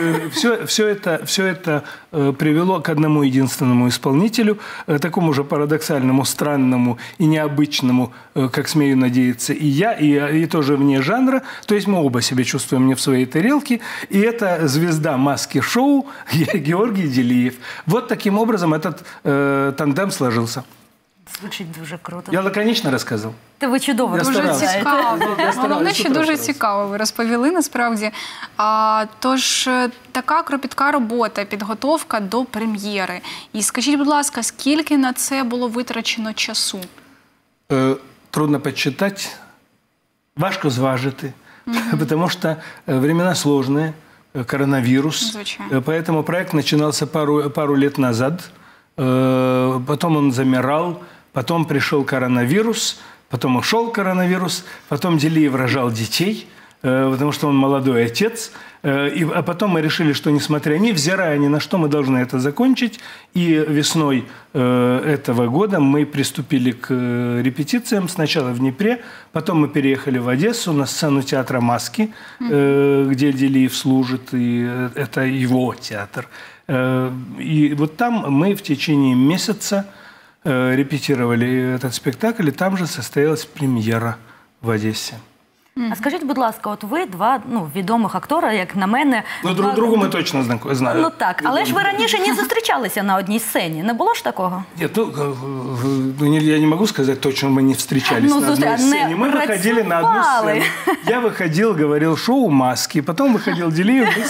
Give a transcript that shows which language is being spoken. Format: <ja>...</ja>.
<ru>Все это привело к одному единственному исполнителю, такому же парадоксальному, странному и необычному, как смею надеяться, и я, и тоже вне жанра. То есть мы оба себя чувствуем не в своей тарелке. И это звезда маски-шоу Георгий Делієв. Вот таким образом этот тандем сложился.</ru> <uk>Звучить дуже круто. Я лаконічно розказав. Та ви чудово розповідаєте. Дуже цікаво. Головне, що дуже цікаво ви розповіли насправді. Тож, така кропітка робота, підготовка до прем'єри. І скажіть, будь ласка, скільки на це було витрачено часу? Трудно підсчитати. Важко зважити. Тому що часи складні, коронавірус. Звичайно. Тому проєкт починався пару років назад. Потім він замирав.</uk> <ru>Потом пришел коронавирус, потом ушел коронавирус, потом Делієв рожал детей, потому что он молодой отец. А потом мы решили, что несмотря невзирая ни на что, мы должны это закончить. И весной этого года мы приступили к репетициям. Сначала в Днепре, потом мы переехали в Одессу на сцену театра «Маски», где Делієв служит, и это его театр. И вот там мы в течение месяца репетировали этот спектакль, и там же состоялась премьера в Одессе. А скажите,</ru> <uk>будь ласка, от ви два, ну, відомих актора, як на мене. Ну, друг другу ми точно знаємо. Ну, так. Але ж ви раніше не зустрічалися на одній сцені. Не було ж такого? Ні, ну, я не можу сказати точно, ми не зустрічалися на одній сцені. Ми виходили на одну сцену. Я виходив, говорив шоу «Маски», потім виходив Делієв</uk>